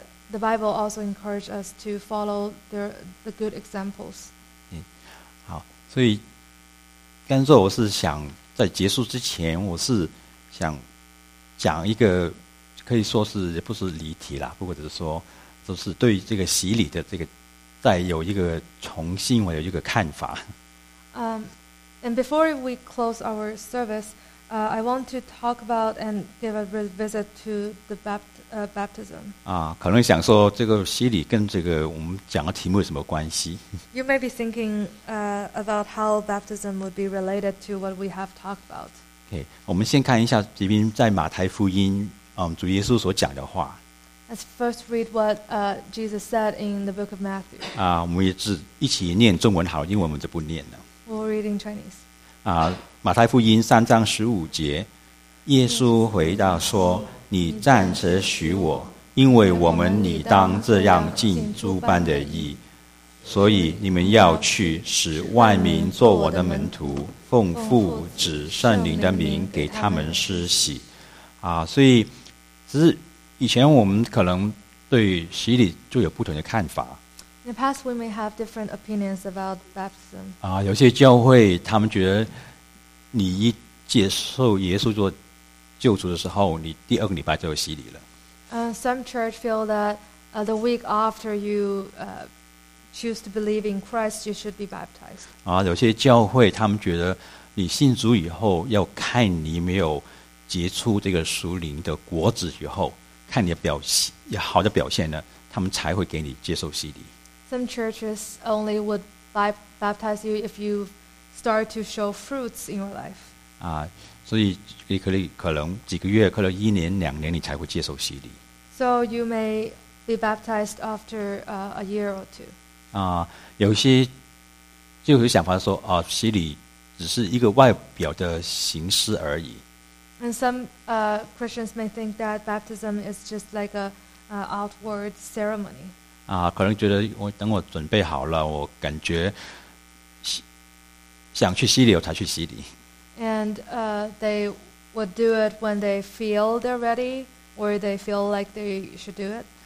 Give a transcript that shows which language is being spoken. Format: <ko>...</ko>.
<en>The Bible also encourages us to follow the good examples.</en> <zh>好，所以刚才我是想在结束之前，我是想讲一个可以说是也不是离题啦，不过只是说，就是对这个洗礼的这个再有一个重新我有一个看法。</zh> <en>And before we close our service. I want to talk about and give a revisit to the baptism.</en> <zh>啊，可能想说这个洗礼跟这个我们讲的题目有什么关系</zh> <en>？You may be thinking, about how baptism would be related to what we have talked about.</en> <zh>Okay, 我们先看一下这边在马太福音，主耶稣所讲的话。</zh> <en>Let's first read what Jesus said in the book of Matthew.</en> <zh>啊，我们也是一起念中文好，英文我们就不念了。</zh> <en>We'll read in Chinese. 啊。</en> <zh>马太福音三章十五节，耶稣回答说：“你暂时许我，因为我们你当这样尽诸般的义，所以你们要去，使万民做我的门徒，奉父、子、圣灵的名给他们施洗。” 啊，所以只是以前我们可能对洗礼就有不同的看法。</zh> <en>In the past, we may have different opinions about baptism.</en> <zh>啊，有些教会他们觉得。你一接受耶稣做救主的时候，你第二个礼拜就有洗礼了。</zh> <en>Some church feel that the week after you choose to believe in Christ, you should be baptized.</en> <zh>啊，有些教会他们觉得你信主以后要看你没有结出这个属灵的果子以后，看你的表现好的表现呢，他们才会给你接受洗礼。</zh> <en>Some churches only would baptize you if you start to show fruits in your life.</en> <zh>啊，所以你可能几个月，可能一年、两年，你才会接受洗礼。</zh> <en>So you may be baptized after a year or two.</en> <zh>啊，有些就有想法说，啊，洗礼只是一个外表的形式而已。</zh> <en>And some Christians may think that baptism is just like a outward ceremony.</en> <zh>啊，可能觉得我等我准备好了，我感觉。想去洗礼才去洗礼。</zh> <en>And they would do it when they feel they're ready or they feel like they should do it.</en>